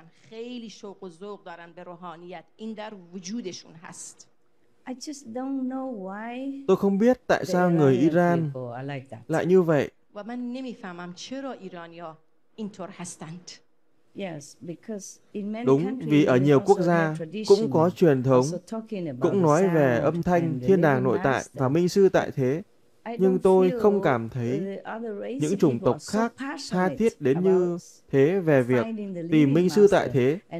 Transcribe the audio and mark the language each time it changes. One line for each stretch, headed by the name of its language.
Persian: خیلی شوق و ذوق دارن به روحانیت. این در وجودشون هست.
English: I just don't know why.
Vietnamese: Tôi không biết tại sao người Iran lại như vậy.
Persian: و من نمیفهمم چرا ایرانی‌ها اینطور هستند.
English: Yes, because in many
Vietnamese: Đúng, vì ở nhiều quốc gia cũng có truyền thống, cũng nói về âm thanh, thiên đàng nội tại và minh sư tại thế. Nhưng tôi không cảm thấy những chủng tộc khác tha thiết đến như thế về việc tìm minh sư tại thế.